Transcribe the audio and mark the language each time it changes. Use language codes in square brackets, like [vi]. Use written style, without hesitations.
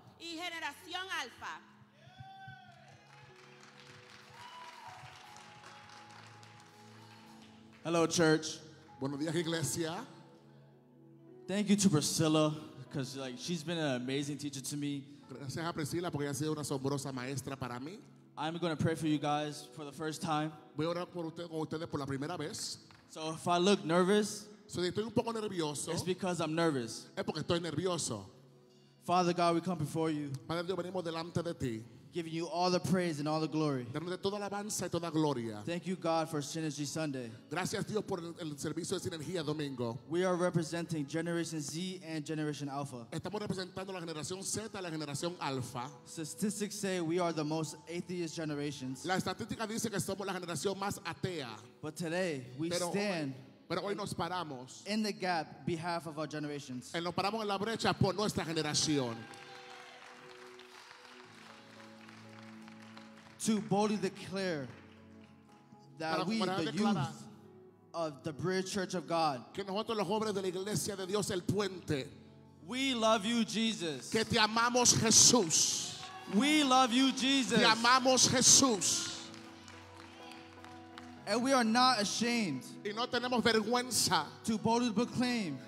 [es] Y Generación Alpha. [en] Hello, church. [es] Buenos días, iglesia. [en] Thank you to Priscilla, because like she's been an amazing teacher to me. [es] Gracias a Priscilla porque ha sido una asombrosa maestra para mí. [en] I'm going to pray for you guys for the first time. [es] Voy a orar por usted, con ustedes por la primera vez. [en] So if I look nervous. [es] So, estoy un poco nervioso. [en] It's because I'm nervous. [es] Es porque estoy nervioso. [en] Father God, we come before you. [es] Padre Dios, venimos delante de ti. [en] Giving you all the praise and all the glory. [es] Dándote toda alabanza y toda gloria. [en] Thank you, God, for Synergy Sunday. [es] Gracias Dios por el servicio de sinergia domingo. [en] We are representing Generation Z and Generation Alpha. [es] Estamos representando la generación Z y la generación Alpha. [en] Statistics say we are the most atheist generations. [es] La estadística dice que somos la generación más atea. [en] But today we stand. [es] Pero hoy nos paramos [en] in the gap behalf of our generations. [es] En nos paramos en la brecha por nuestra generación. [en] To boldly declare that we, the youth of the Bridge Church of God, [es] que nosotros los jóvenes de la iglesia de Dios el puente, [en] we love you, Jesus. [es] Que te amamos, Jesús. [en] We love you, Jesus. [es] Te amamos, Jesús. [en] And we are not ashamed. [es] Y no tenemos vergüenza. [en] To boldly proclaim.